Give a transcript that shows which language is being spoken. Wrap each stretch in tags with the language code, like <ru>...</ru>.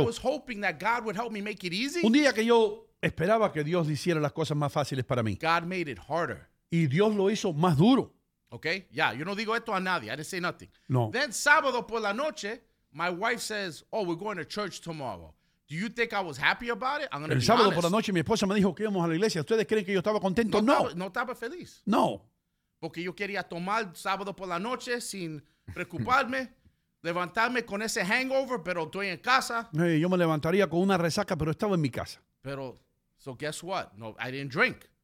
<en>I was hoping that God would help me make it easy.</en> <es>Un día que yo esperaba que Dios hiciera las cosas más fáciles para mí.</es> <en>God made it harder.</en> <es>Y Dios lo hizo más duro. Okay, yeah, yo no digo esto a nadie.</es> <en>I didn't say nothing.</en> <es>No.</es> <en>Then</en> <es>sábado por la noche,</es> <en>my wife says, oh, we're going to church tomorrow. Do you think I was happy about it? I'm going to be honest.</en> <es>El sábado por la noche mi esposa me dijo que íbamos a la iglesia. ¿Ustedes creen que yo estaba contento? No. No estaba feliz. No. Porque yo quería tomar sábado por la noche sin preocuparme. Levantarme con ese hangover, pero estoy en casa. Hey, yo me levantaría con una resaca, pero estaba en mi casa.</es> <en>Pero, so guess what? No, I didn't drink.</en>